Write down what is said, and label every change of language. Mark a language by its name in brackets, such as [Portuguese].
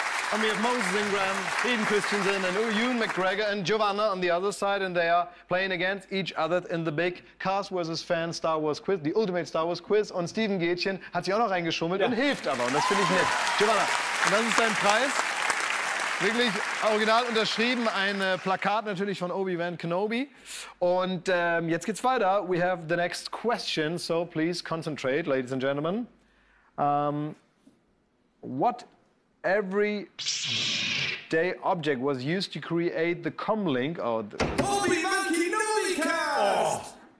[English] And we have Moses Ingram, Hayden Christensen, and Ewan McGregor and Giovanna on the other side, and they are playing against each other in the big Cast vs. Fan Star Wars Quiz, the Ultimate Star Wars Quiz. [German] Und Steven Gätchen hat sich auch noch reingeschummelt und hilft aber, und das finde ich nett. Giovanna, und das ist dein Preis. Wirklich original unterschrieben, ein Plakat natürlich von Obi-Wan Kenobi. Und jetzt geht's weiter. [English] We have the next question, so please concentrate, ladies and gentlemen. What every day object was used to create the comlink or the Obi-Wan Kenobi cast.